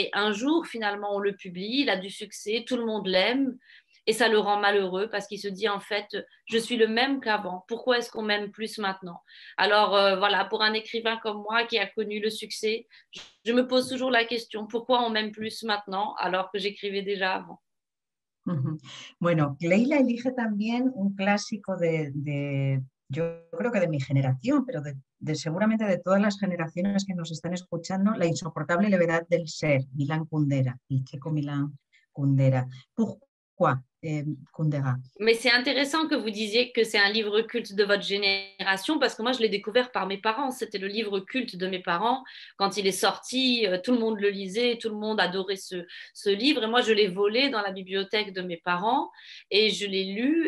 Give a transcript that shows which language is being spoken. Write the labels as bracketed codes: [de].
[fr] Et un jour, finalement, on le publie, il a du succès, tout le monde l'aime. Et ça le rend malheureux parce qu'il se dit, en fait, je suis le même qu'avant. Pourquoi est-ce qu'on m'aime plus maintenant? Alors, voilà, pour un écrivain comme moi qui a connu le succès, je me pose toujours la question, pourquoi on m'aime plus maintenant alors que j'écrivais déjà avant? [es] Bueno, Leila elige también un clásico yo creo que de mi generación, pero seguramente de todas las generaciones que nos están escuchando, La insoportable levedad del ser, Milan Kundera, el checo Milan Kundera. ¿Por qué, Kundera? [fr] Mais c'est intéressant que vous disiez que c'est un livre culte de votre génération, parce que moi, je l'ai découvert par mes parents. C'était le livre culte de mes parents. Quand il est sorti, tout le monde le lisait, tout le monde adorait ce livre. Et moi, je l'ai volé dans la bibliothèque de mes parents et je l'ai lu.